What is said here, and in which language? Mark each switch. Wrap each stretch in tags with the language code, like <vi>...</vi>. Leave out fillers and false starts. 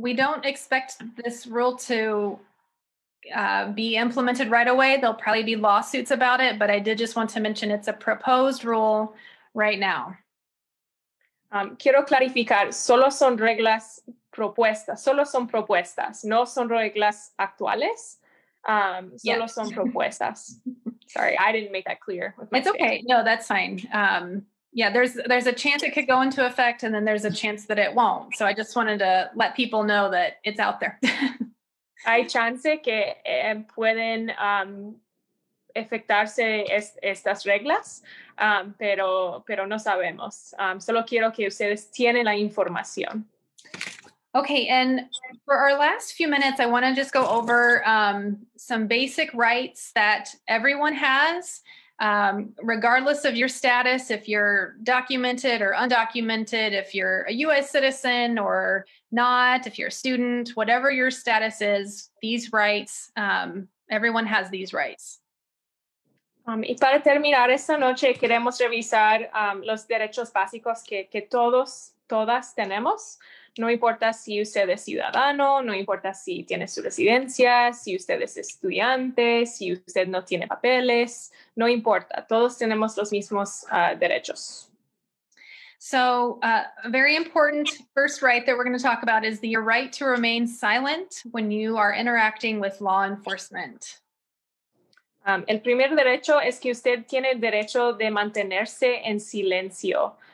<en>We don't expect this rule to be implemented right away. There'll probably be lawsuits about it, but I did just want to mention it's a proposed rule right now.</en> <es>Quiero clarificar, solo son reglas propuestas, solo son propuestas, no son reglas actuales, solo yes. Son propuestas.</es> <en>Sorry, I didn't make that clear. It's state. Okay, no, that's fine. There's a chance it could go into effect and then there's a chance that it won't. So I just wanted to let people know that it's out there.</en> <es>Hay chance que pueden afectarse estas reglas, pero no sabemos. Solo quiero que ustedes tienen la información.</es> <en>Okay, and for our last few minutes, I want to just go over some basic rights that everyone has, regardless of your status, if you're documented or undocumented, if you're a U.S. citizen or not, if you're a student, whatever your status is, these rights, everyone has these rights.</en> <es>Y para terminar esta noche, queremos revisar los derechos básicos que todos, todas tenemos. No importa si usted es ciudadano, no importa si tiene su residencia, si usted es estudiante, si usted no tiene papeles, no importa. Todos tenemos los mismos derechos.</es> <en>So, a very important first right that we're going to talk about is your right to remain silent when you are interacting with law enforcement.</en> <es>El primer derecho es que usted tiene derecho de mantenerse en silencio.</es>